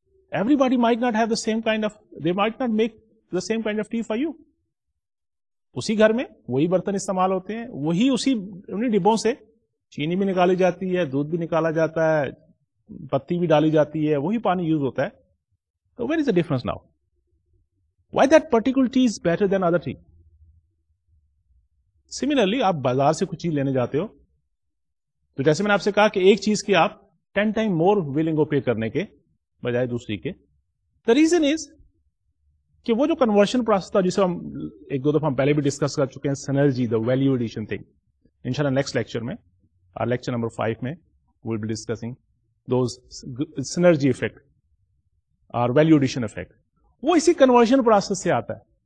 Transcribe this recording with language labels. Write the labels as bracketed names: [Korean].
[English] Everybody might not have the same kind of, they might not make the same kind of tea for you. [Urdu] اسی گھر میں وہی برتن استعمال ہوتے ہیں, وہی اسی ڈبوں سے چینی بھی نکالی جاتی ہے, دودھ بھی نکالا جاتا ہے, پتی بھی ڈالی جاتی ہے, وہی پانی یوز ہوتا ہے. [English] تو where is the difference now, why that particular tea is better than other tea. [Urdu] Similarly آپ بازار سے کچھ چیز لینے جاتے ہو تو جیسے میں نے آپ سے کہا کہ ایک چیز کی آپ 10 ٹائم مور ویلنگ پے کرنے کے بجائے دوسری کے, [English] the reason is [Urdu] کہ وہ جو کنورژن پروسیس تھا جسے ہم ایک دو دفعہ پہلے بھی ڈسکس کر چکے ہیں, synergy, [English] the value addition thing, [Urdu] ان شاء اللہ [English] next lecture [Urdu] میں, اور لیکچر نمبر 5 میں [English] will be discussing those synergy effect اور value addition effect, [Urdu] وہ اسی کنورژن پروسیس سے آتا ہے.